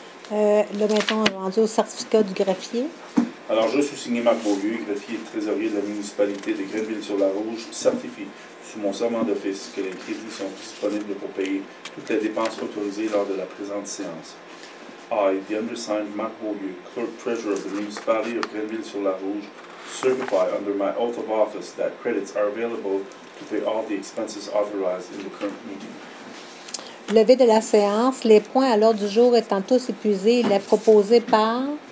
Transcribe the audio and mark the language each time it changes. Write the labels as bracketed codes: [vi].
[fr] Là, maintenant, on est rendu au certificat du greffier. Alors, je suis signé Marc Beaulieu, greffier et trésorier de la municipalité de Grenville-sur-la-Rouge, certifie sous mon serment d'office que les crédits sont disponibles pour payer toutes les dépenses autorisées lors de la présente séance. [en] I, the undersigned Marc Beaulieu, clerk treasurer of the municipality of Grenville-sur-la-Rouge, certify under my oath of office that credits are available to pay all the expenses authorized in the current meeting. [fr] Levée de la séance, les points à l'ordre du jour étant tous épuisés, il est proposé par...